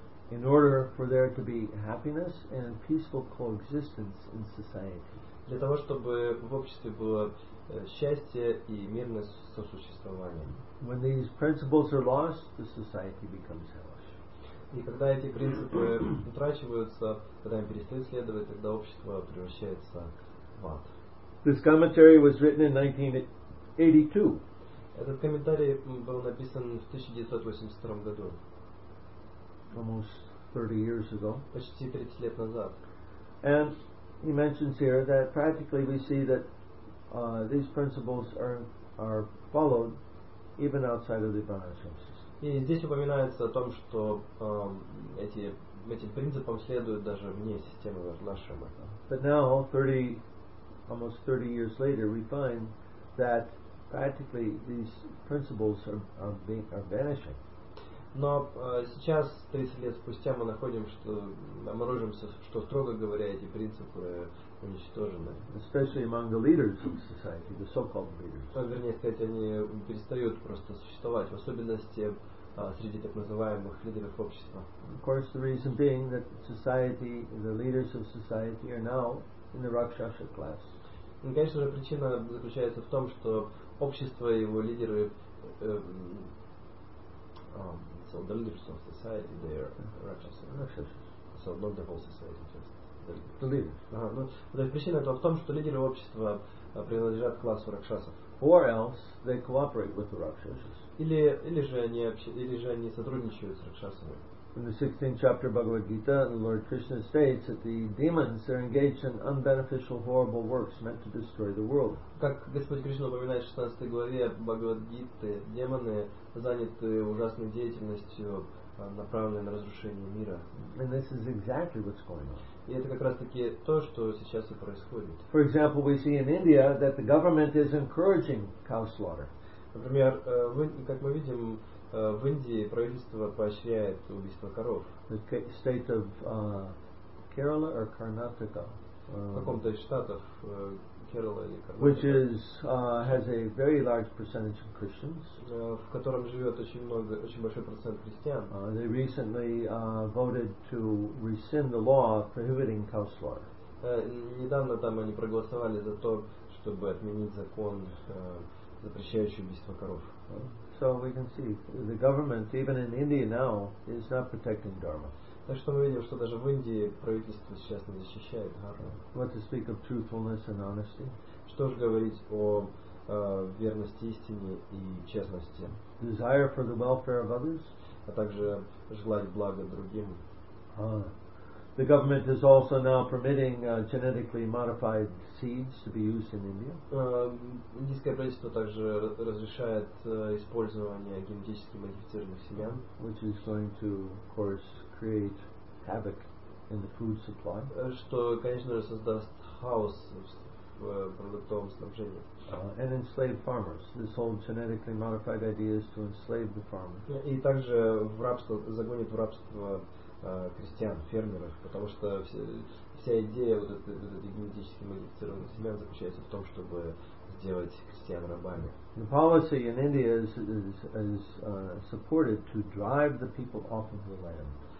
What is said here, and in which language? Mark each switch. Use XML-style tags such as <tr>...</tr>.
<en>In order for there to be happiness and peaceful coexistence in society.</en> <ru>Для того, чтобы в обществе было счастье и мирное сосуществование.</ru> <en>When these principles are lost, the society becomes hellish.</en> <ru>И когда эти принципы утрачиваются, когда им перестают следовать, тогда общество превращается в ад.</ru> <en>This commentary was written in 1982.</en> <ru>Этот комментарий был написан в 1982 году.</ru> <en>almost 30 years ago.</en> <ru>Почти 30 лет назад.</ru> <en>And he mentions here that practically we see that these principles are followed even outside of the Upanishad system.</en> <ru>И здесь упоминается о том, что этим принципам следуют даже вне системы Ашрама.</ru> <en>But now, almost 30 years later, we find that practically these principles are vanishing.</en> <ru>Но сейчас, 30 лет спустя, мы находим, что обнаружимся, что, строго говоря, эти принципы уничтожены.</ru> <en>Especially among the leaders of society, the so-called leaders.</en> <ru>Вернее сказать, они перестают просто существовать, в особенности среди так называемых лидеров общества.</ru> <en>Of course, the reason being that society, the leaders of society are now in the Rakshasa class.</en> <ru>И, конечно же, причина заключается в том, что общество и его лидеры</ru> <en>the leaders of society, they are Rakshasa. So not the whole society, just the leaders.</en> <ru>То есть причина в том, что лидеры общества принадлежат классу ракшасов.</ru> <en>Or else they cooperate with the Rakshasas.</en> <ru>Или же они сотрудничают с ракшасами.</ru> <en>In the 16th chapter of Bhagavad Gita, the Lord Krishna states that the demons are engaged in unbeneficial, horrible works meant to destroy the world.</en> <ru>Как Господь Кришна упоминает в 16 главе Бхагавад Гиты, демоны заняты ужасной деятельностью, направленной на разрушение мира.</ru> <en>And this is exactly what's going on.</en> <ru>И это как раз-таки то, что сейчас и происходит.</ru> <en>For example, we see in India that the government is encouraging cow slaughter.</en> <ru>Например, как мы видим, в Индии правительство поощряет убийство коров.</ru> <en>The state of Kerala or Karnataka.</en> <ru>В каком-то из штатов Kerala или Karnataka.</ru> <en>Which is has a very large percentage of Christians.</en> <ru>В котором живет очень большой процент христиан.</ru> <en>They recently voted to rescind the law prohibiting cow slaughter.</en> <ru>Недавно там они проголосовали за то, чтобы отменить закон, запрещающий убийство коров.</ru> <en>So we can see the government, even in India now, is not protecting dharma.</en> <ru>Так что мы видим, что даже в Индии правительство сейчас не защищает дхарму.</ru> <en>What to speak of truthfulness and honesty?</en> <ru>Что же говорить о верности истине и честности?</ru> <en>Desire for the welfare of others?</en> <ru>А также желать блага другим.</ru> <en>The government is also now permitting genetically modified seeds to be used in India.</en> <ru>Индийское правительство также разрешает использование генетически модифицированных семян,</ru> <en>which is going to, of course, create havoc in the food supply.</en> <ru>Что, конечно же, создаст хаос в продуктовом снабжении.</ru> <en>And enslave farmers. This whole genetically modified idea is to enslave the farmers.</en> <ru>И также в рабство загонит в рабство крестьян, фермеров, потому что вся идея вот этой генетически модифицированных семян заключается в том, чтобы сделать крестьян рабами.</ru> <en>The policy in India is supported to drive the people off of the land.</en>